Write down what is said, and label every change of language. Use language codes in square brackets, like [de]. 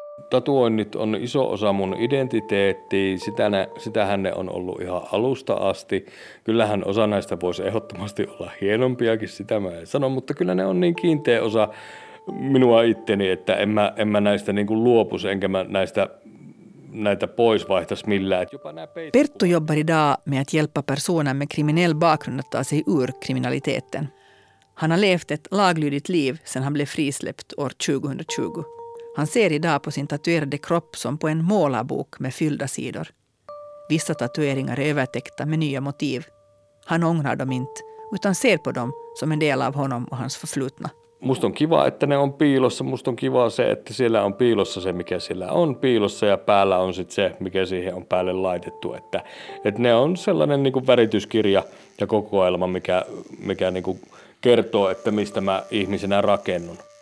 [fi] Tatuoinnit on iso osa mun identiteettiä. Sitähän ne on ollut ihan alusta asti. Kyllähän osa näistä voisi ehdottomasti olla hienompiakin, sitä mä en sano, mutta kyllä ne on niin kiinteä osa minua itteni, että en mä näistä niin kuin luopus, enkä mä näitä pois vaihtaisi millään. [sv] Perttu jobbar idag med att hjälpa personer med kriminell bakgrund att ta sig ur kriminaliteten. Han har levt ett laglydigt liv sedan han blev frisläppt år 2020. Han ser idag på sin tatuerade kropp som på en målarbok med fyllda sidor. Vissa tatueringar är övertäckta med nya motiv. Han ångrar dem inte, utan ser på dem som en del av honom och hans förflutna. [fi] Musta on kiva, että ne on piilossa. Musta on kiva se, että siellä on piilossa se, mikä siellä on piilossa, ja päällä on sitten se, mikä siihen on päälle laitettu. Että ne on sellainen niin kuin värityskirja ja kokoelma, mikä niin kuin kertoo, että mistä mä ihmisenä rakennun.